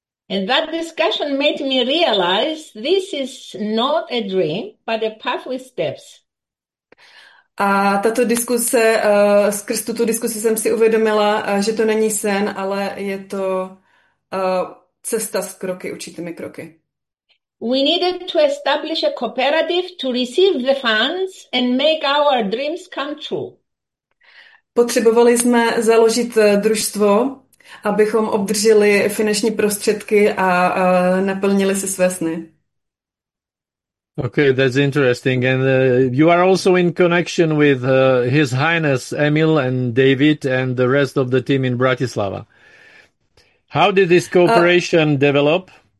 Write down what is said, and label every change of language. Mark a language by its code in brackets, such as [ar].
[en] And that discussion made me realize this is not a dream, but a path with steps. [cs] A tato diskuse, skrz tuto diskusi jsem si uvědomila, že to není sen, ale je to cesta s kroky, určitými kroky. [en] We needed to establish a cooperative to receive the funds and make our dreams come true. [cs] Potřebovali jsme založit družstvo, abychom obdrželi finanční prostředky a naplnili si své sny. [en] Okay, that's interesting. And you are also in connection with His Highness Emil and David and the rest of the team in Bratislava. How did this cooperation develop?